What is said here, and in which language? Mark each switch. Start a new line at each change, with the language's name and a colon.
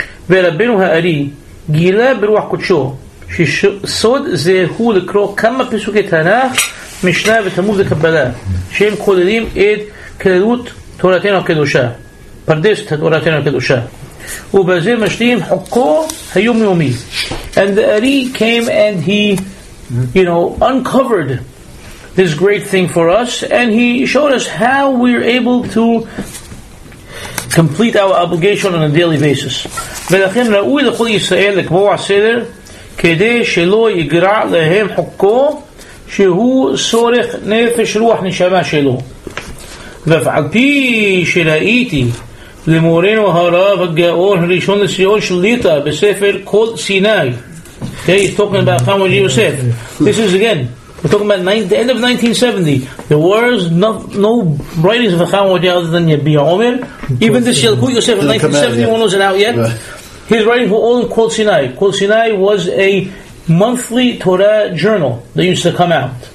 Hebrew: ורבינו הארי גילה ברוח קודשו שסוד זה הוא לקרוא כמה פסוקי תנ"ך משנה ותלמוד וקבלה שהם כוללים את כללות תורתנו הקדושה, פרדס את תורתנו הקדושה, ובזה משלים חוקו היומיומי.
English: And the Ari came and he you know, uncovered this great thing for us, and he showed us how we're able to complete our obligation on a daily basis.
Hebrew: ולכן ראוי לכל ישראל לקבוע סדר כדי שלא יגרע להם חוקו שהוא סורך נפש רוח נשמה שלו. ועל פי שראיתי למורנו הרב הגאון הראשון לציון שליטה בספר כל סיני.
English: Okay, he's talking about how much you said. This is again, we're talking about the end of 1970. There was no writings of the Chamoji other than Yabi Omer. Even this Yalkut Yosef in 1971 wasn't out yet. Right. His writings were all in Kol Sinai. Kol Sinai was a monthly Torah journal that used to come out.